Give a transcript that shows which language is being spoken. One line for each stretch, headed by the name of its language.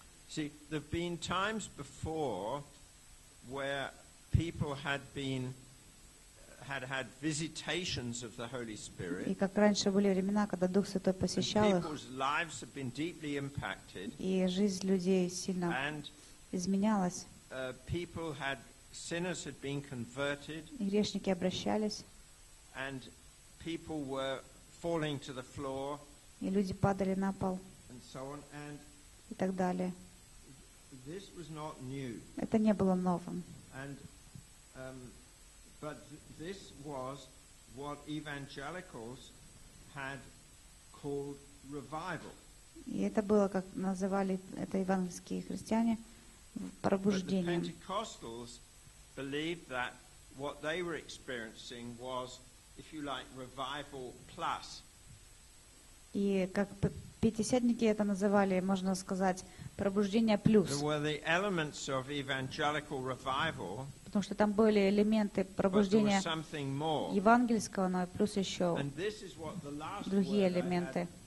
English: See, there have been times before where people had been had visitations of the Holy Spirit.
Russian: И как раньше были времена, когда Дух Святой посещал их.
English: People's lives have been deeply impacted.
Russian: И жизнь людей сильно изменялась.
English: People had sinners had been converted.
Russian: И грешники обращались.
English: And people were falling to the floor.
Russian: И люди падали на пол.
English: And so on. And
Russian: и так далее.
English: This was not new.
Russian: Это не было новым.
English: And but this was what evangelicals had called revival.
Russian: И это было, как называли это евангельские христиане, пробуждением.
English: But the Pentecostals believed that what they were experiencing was, if you like, revival plus.
Russian: И как пятидесятники это называли, можно сказать, пробуждение плюс.
English: There were the elements of evangelical revival.
Russian: Потому что там были элементы пробуждения евангельского, но плюс еще другие элементы.